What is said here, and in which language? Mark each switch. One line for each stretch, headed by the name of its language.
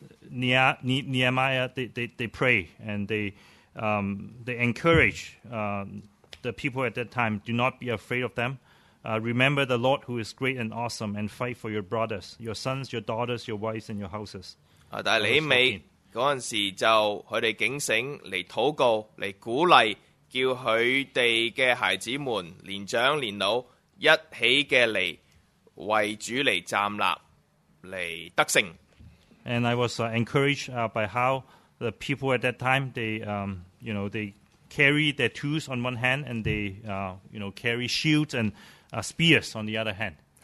English: Nehemiah, they pray and they encourage the people at that time, do not be afraid of them. Remember the Lord who is great and awesome, and fight for your brothers, your sons, your daughters, your wives, and your houses.
Chinese: 但尼美那时候就他们警醒来祷告，来鼓励叫他们的孩子们，年长年老，一起来为主来站立，来得胜。
English: And I was encouraged by how the people at that time, they, you know, they carry their tools on one hand, and they, you know, carry shields and spears on the other hand.